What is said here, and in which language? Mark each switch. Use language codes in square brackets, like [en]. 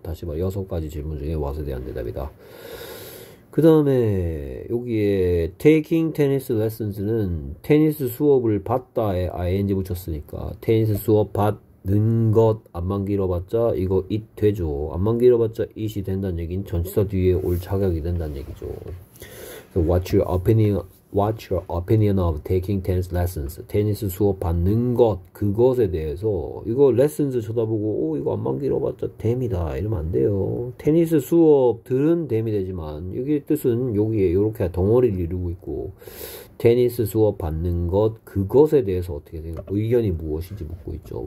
[ko] 다시 봐. 여섯 가지 질문 중에 what에 대한 대답이다. 그 다음에 여기에 taking tennis lessons는 테니스 수업을 받다에 ing 붙였으니까 테니스 수업 받는 것, 안만 길어봤자 이거 it 되죠. 안만 길어봤자 it이 된다는 얘기는 전치사 뒤에 올 자격이 된다는 얘기죠. [en] So what's your opinion of taking tennis lessons? [ko] 테니스 수업 받는 것, 그것에 대해서 이거 lessons 쳐다보고, 오, 이거 안만 길어봤자 됨이다. 이러면 안 돼요. 테니스 수업 들은 됨이 되지만, 여기 뜻은 여기에 이렇게 덩어리를 이루고 있고, 테니스 수업 받는 것, 그것에 대해서 어떻게 생각, 의견이 무엇인지 묻고 있죠.